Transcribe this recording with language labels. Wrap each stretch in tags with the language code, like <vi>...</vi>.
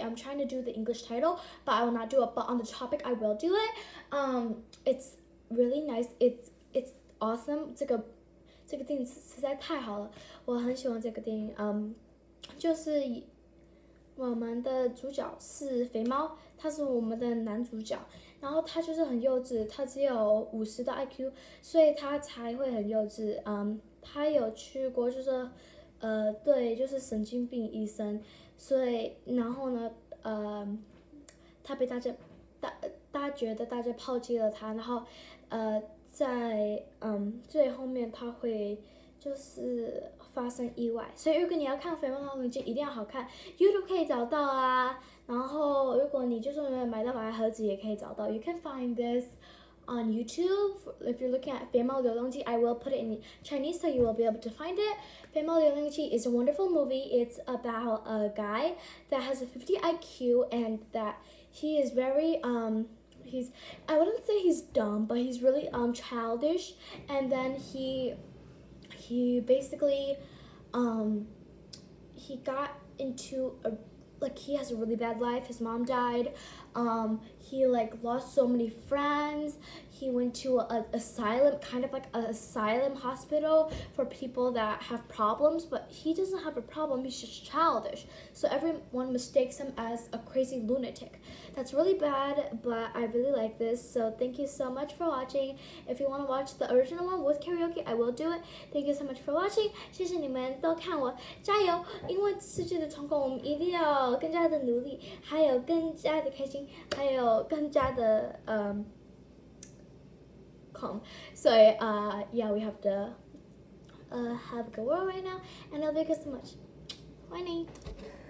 <en>I'm trying to do the English title, but I will not do it. But on the topic, I will do it. It's really nice. It's awesome.</en> <zh>这个电影实在太好了，我很喜欢这个电影。就是我们的主角是肥猫，他是我们的男主角。然后他就是很幼稚，他只有50的 IQ， 所以他才会很幼稚。他有去过就是，对，就是神经病医生，所以然后呢，他被大家觉得大家抛弃了他，然后，在最后面他会就是发生意外。所以如果你要看《肥猫流浪记》，一定要好看 ，YouTube 可以找到啊。然后如果你就是没有买到白盒子也可以找到</zh> <en>You can find this on YouTube If you're looking at 肥猫流浪记 I will put it in Chinese so you will be able to find it 肥猫流浪记 is a wonderful movie It's about a guy that has a 50 IQ And that he is very, I wouldn't say he's dumb But he's really childish And then he basically, he got into a like he has a really bad life. His mom died. He like lost so many friends. He went to an asylum, kind of like an asylum hospital for people that have problems, but he doesn't have a problem. He's just childish. So everyone mistakes him as a crazy lunatic. That's really bad, but I really like this. So thank you so much for watching. If you want to watch the original one with karaoke, I will do it. Thank you so much for watching.</en> <zh>谢谢你们都看我，加油！因为世界的成功，我们一定要更加的努力，还有更加的开心，还有更加的 calm.</zh> <en>So yeah, we have to have a good world right now, and I love you guys so much. Bye.</en>